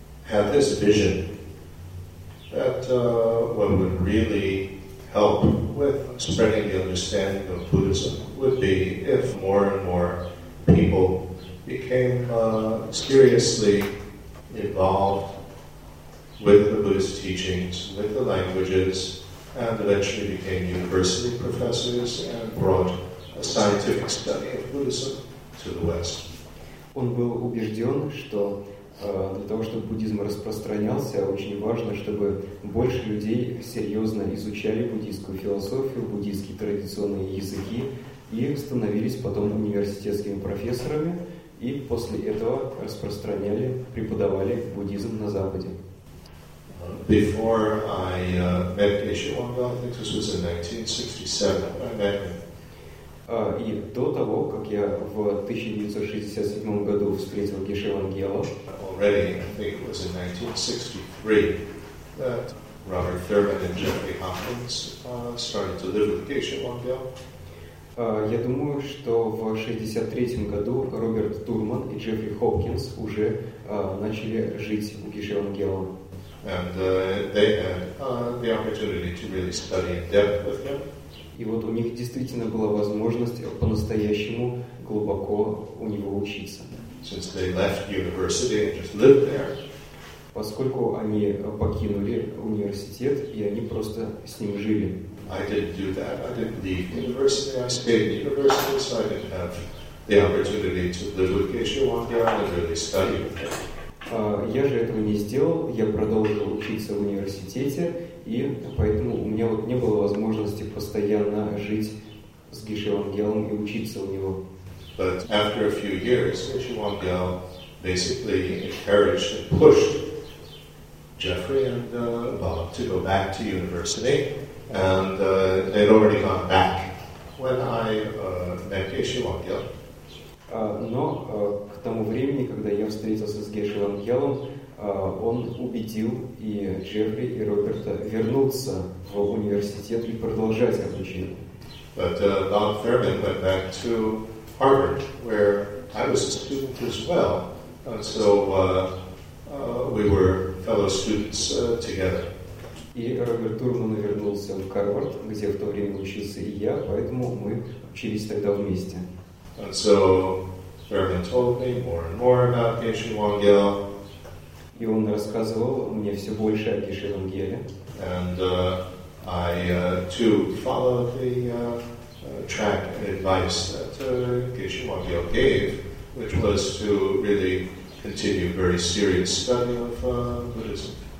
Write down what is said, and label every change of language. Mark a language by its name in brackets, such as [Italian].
[English] Had this vision that what would really help with spreading the understanding of Buddhism would be if more and more people became seriously involved with the Buddhist teachings, with the languages, and eventually became university professors and brought a scientific study of Buddhism to the West. [Russian] Он был убежден, что для того, чтобы буддизм распространялся, очень важно, чтобы больше людей серьезно изучали буддийскую философию, буддийские традиционные языки и становились потом университетскими профессорами и после этого распространяли, преподавали буддизм на Западе. [English] Before I met Geshe Wangyal, I think this was in 1967, I met him. [Russian] И до того, как я в 1967 году встретил Геше Вангьяло, [English] already, I think it was in 1963, that Robert Thurman and Jeffrey Hopkins started to live with Geshe Wangyal. [Russian] Я думаю, что в 1963 году Роберт Турман и Джеффри Хопкинс уже начали жить у Геше Вангьяло. [English] And they had the opportunity to really study in depth with him. [Russian] И вот у них действительно была возможность по-настоящему глубоко у него учиться. [English] Since they left university and just lived there. [Russian] Поскольку они покинули университет, и они просто с ним жили. [English] I didn't do that. I didn't leave university. I stayed in university, so I didn't have the opportunity to live with Geshe Wangyal and really study with him. [Russian] Я же этого не сделал, я продолжил учиться в университете, и поэтому у меня вот не было возможности постоянно жить с Геше Вангьялом и учиться у него. [English] But after a few years, Geshe Wangyal basically encouraged and pushed Jeffrey and Bob to go back to university, and they'd already gone back when I met Geshe Wangyal. [Russian] К тому времени, когда я встретился с Геше Вангьялом, он убедил и Джеффри, и Роберта вернуться в университет и продолжать обучение. [English] But Bob Thurman went back to Harvard, where I was a student as well, and so we were fellow students together. [Russian] И Роберт Турман вернулся в Гарвард, где в то время учился и я, поэтому мы учились тогда вместе. [English] And so Thurman told me more and more about Geshe Wangyal. [Russian] И он рассказывал мне все больше о Геше Вангьяле. [English] And I too followed the track and advice that Geshe Wangyal gave, which was to really continue very serious study of Buddhism.